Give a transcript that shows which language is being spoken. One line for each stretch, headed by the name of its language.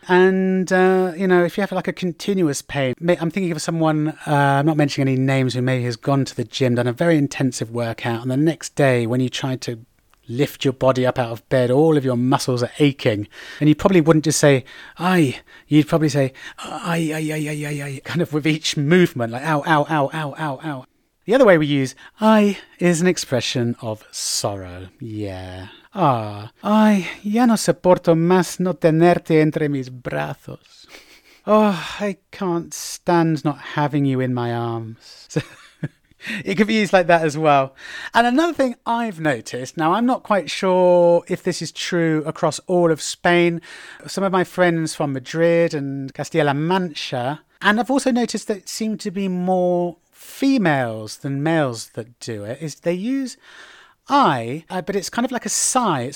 English: And, you know, if you have like a continuous pain, I'm thinking of someone, I'm not mentioning any names, who maybe has gone to the gym, done a very intensive workout, and the next day when you try to lift your body up out of bed, all of your muscles are aching, and you probably wouldn't just say ay, you'd probably say ay, ay, ay, ay, ay, ay, kind of with each movement, like ow, ow, ow, ow, ow, ow. The other way we use ay is an expression of sorrow. Yeah.
Spanish: Ah, ay, ya no soporto más no tenerte entre mis brazos.
English: Oh, I can't stand not having you in my arms. It could be used like that as well. And another thing I've noticed, now I'm not quite sure if this is true across all of Spain. Some of my friends from Madrid and Castilla-La Mancha, and I've also noticed that it seemed to be more females than males that do it, is they use I, but it's kind of like a sigh.